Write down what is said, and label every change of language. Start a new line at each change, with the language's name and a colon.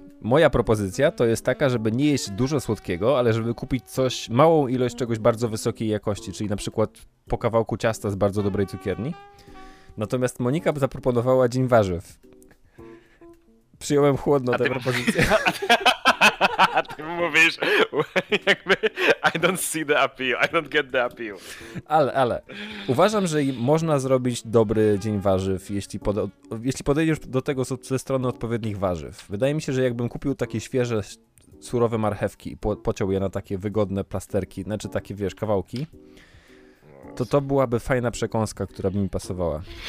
Polish: Moja propozycja to jest taka, żeby nie jeść dużo słodkiego, ale żeby kupić coś, małą ilość czegoś bardzo wysokiej jakości, czyli na przykład po kawałku ciasta z bardzo dobrej cukierni. Natomiast Monika zaproponowała dzień warzyw. Przyjąłem chłodno tę propozycję. A ty mówisz, jakby,
English: I don't see the appeal, I don't get the appeal.
Polish: Ale, uważam, że można zrobić dobry dzień warzyw, jeśli podejdziesz do tego ze strony odpowiednich warzyw. Wydaje mi się, że jakbym kupił takie świeże, surowe marchewki i pociął je na takie wygodne plasterki, znaczy takie, wiesz, kawałki, to byłaby fajna przekąska, która by mi pasowała.